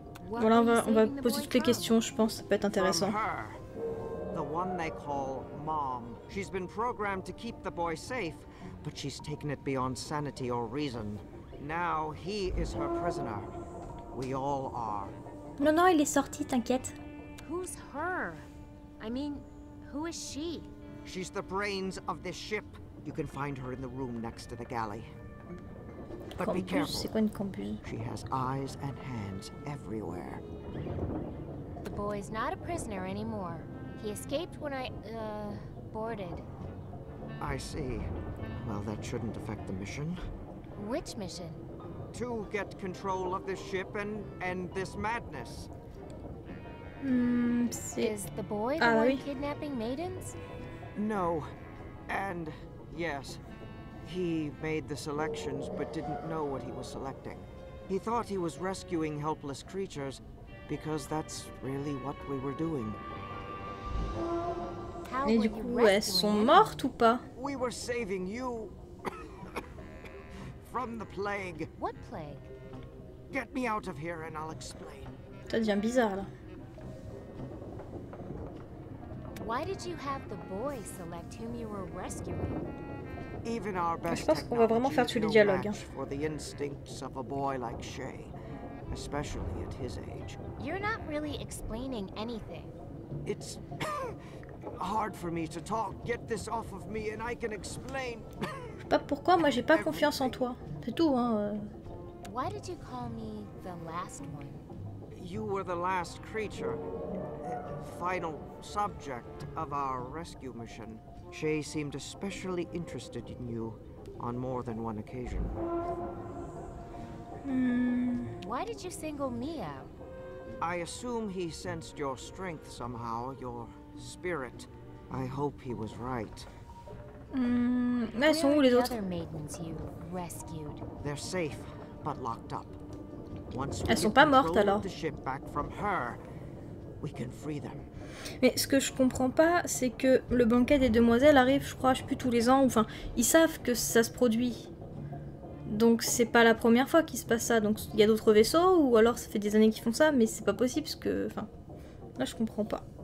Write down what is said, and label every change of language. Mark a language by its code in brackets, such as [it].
[fr] Voilà, on va poser toutes les questions, je pense, ça peut être intéressant. [en] The one they call Mom. She's been programmed to keep the boy safe, but she's taken it beyond sanity or reason. Now he is her prisoner. We all are. [fr] Non, non, il est sorti, t'inquiète. [en] Who's her? I mean, who is she? She's the brains of this ship. You can find her in the room next to the galley. But be careful. [fr] C'est quoi une campuse? [en] She has eyes and hands everywhere. The boy is not a prisoner anymore. He escaped when I boarded. I see. Well, that shouldn't affect the mission. Which mission? To get control of this ship and end this madness. Is the boy the one kidnapping maidens? No. And yes. He made the selections, but didn't know what he was selecting. He thought he was rescuing helpless creatures, because that's really what we were doing. [fr] Mais du coup, elles sont mortes ou pas? [en] We were saving you from the plague. What plague? Get me out of here and I'll explain. [fr] Ça devient bizarre là. [en] Why did you have the boy select whom you were rescuing? Even our best technology is no match for the instincts of a boy like Shay, especially at his age. You're not really explaining anything. It's hard for me to talk. Get this off of me, and I can explain. [fr] Pas pourquoi moi j'ai pas confiance en toi. C'est tout, hein. [en] Why did you call me the last one? You were the last creature, final subject of our rescue mission. Shay seemed especially interested in you on more than one occasion. Why did you single me out? I assume he sensed your strength somehow, your spirit. I hope he was right. [fr] Mais sont où les autres? [en] Other maidens you rescued. They're safe, but locked up. Once we [fr] elles sont pas mortes alors. [en] The ship back from her, we can free them. [fr] Mais ce que je comprends pas, c'est que le banquet des demoiselles arrive, je crois, je sais plus, tous les ans, enfin, ils savent que ça se produit. Donc c'est pas la première fois qu'il se passe ça, donc il y a d'autres vaisseaux, ou alors ça fait des années qu'ils font ça, mais c'est pas possible, parce que, enfin, là je comprends pas.